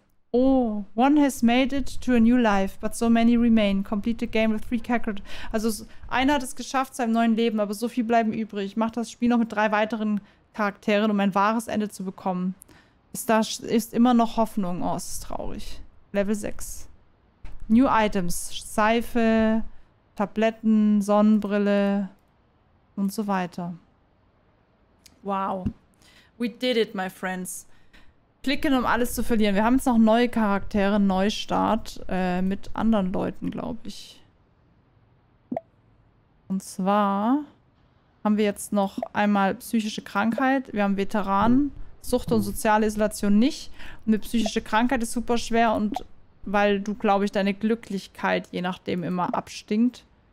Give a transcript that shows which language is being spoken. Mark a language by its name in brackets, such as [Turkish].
[English] Oh, one has made it to a new life, but so many remain. Complete the game with three characters. [German] Also einer hat es geschafft zu einem neuen Leben, aber so viel bleiben übrig. Ich mache das Spiel noch mit drei weiteren Charakteren, um ein wahres Ende zu bekommen. Ist immer noch Hoffnung. Oh, es ist traurig. Level 6. [English] New items. [German] Seife, Tabletten, Sonnenbrille. Und so weiter. Wow. [English] We did it, my friends. [German] klicken, um alles zu verlieren. Wir haben jetzt noch neue Charaktere, Neustart mit anderen Leuten, glaube ich. Und zwar haben wir jetzt noch einmal psychische Krankheit. Wir haben Veteran, Sucht und soziale Isolation nicht. Und eine psychische Krankheit ist super schwer und weil du, glaube ich, deine Glücklichkeit je nachdem immer abstinkt.